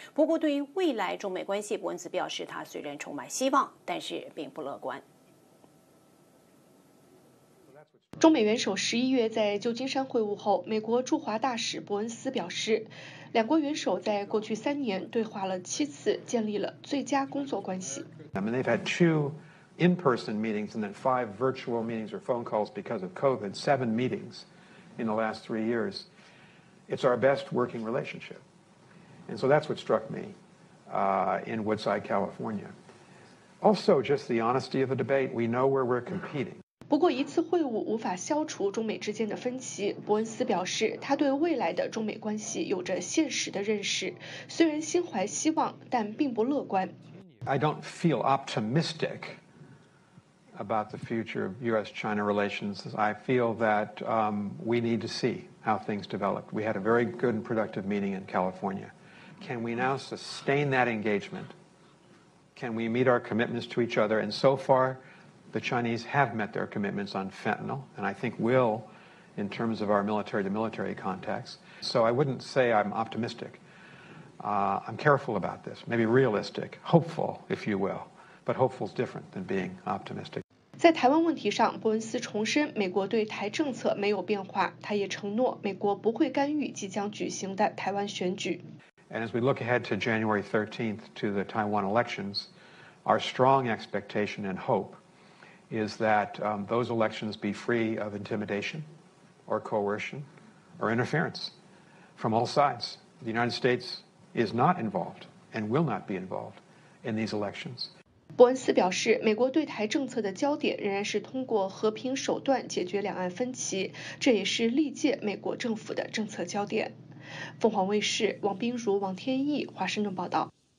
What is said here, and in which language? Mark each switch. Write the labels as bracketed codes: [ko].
[zh] 不过，对于未来中美关系，波恩斯表示，他虽然充满希望，但是并不乐观。中美元首十一月在旧金山会晤后，美国驻华大使伯恩斯表示，两国元首在过去三年对话了七次，建立了最佳工作关系。 [en] I mean, they've had two in-person meetings and then five virtual meetings or phone calls because of COVID. Seven meetings in the last three years. It's our best working relationship. And so that's what struck me, in Woodside, California. Also, just the honesty of the debate. We know where we're competing. [zh] 不过一次会晤无法消除中美之间的分歧，伯恩斯表示他对未来的中美关系有着现实的认识，虽然心怀希望但并不乐观。 [en] I don't feel optimistic about the future of U.S.-China relations. I feel that, we need to see how things develop. We had a very good and productive meeting in California. Can we now sustain that engagement? Can we meet our commitments to each other? And so farThe Chinese have met their commitments on fentanyl, and I think will in terms of our military-to-military contacts. So I wouldn't say I'm optimistic. I'm careful about this, maybe realistic, hopeful, if you will. But hopeful is different than being optimistic. [zh] 在台湾问题上，伯恩斯重申美国对台政策没有变化。他也承诺美国不会干预即将举行的台湾选举。 [en] And as we look ahead to January 13th, to the Taiwan elections, our strong expectation and hopeis that, those elections be free of intimidation or coercion or interference from all sides. The United States is not involved and will not be involved in these elections. [zh] 伯恩斯表示，美国对台政策的焦点仍然是通过和平手段解决两岸分歧，这也是历届美国政府的政策焦点。凤凰卫视王冰如、王天翼华盛顿报道。